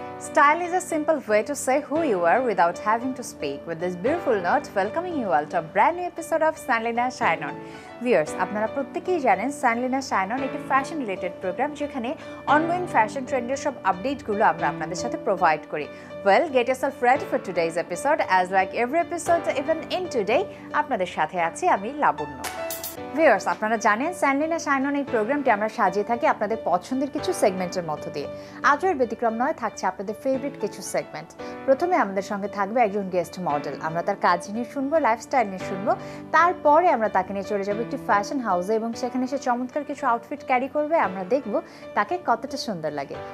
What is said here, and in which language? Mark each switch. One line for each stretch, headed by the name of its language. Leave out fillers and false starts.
English: Style is a simple way to say who you are without having to speak. With this beautiful note, welcoming you all to a brand new episode of Sanlina Shine On.
Bangla: Viewers, আপনারা প্রত্যেকই জানেন সানলিনা shine on একটি fashion related programme যেখানে ongoing fashion ট্রেন্ডের সব আপডেটগুলো আমরা আপনাদের সাথে provide করি।
English: Well, get yourself ready for today's episode as like every episode even in today
Bangla: আপনাদের সাথে আছি আমি লাবণ্য। Viewers, আপনারা জানেন সানলিনা শাইন অন এই প্রোগ্রামটি আমরা সাজিয়ে থাকি আপনাদের পছন্দের কিছু সেগমেন্টের মধ্য দিয়ে। আজকের ব্যতিক্রম নয়, থাকছে আপনাদের ফেভারিট কিছু সেগমেন্ট। প্রথমে আমাদের সঙ্গে থাকবে একজন গেস্ট মডেল। আমরা তার কাজ নিয়ে শুনবো, লাইফস্টাইল নিয়ে শুনবো, তারপরে আমরা তাকে নিয়ে চলে যাবো একটি ফ্যাশন হাউসে এবং সেখানে সে চমৎকার কিছু আউটফিট ক্যারি করবে, আমরা দেখব তাকে কতটা সুন্দর লাগে।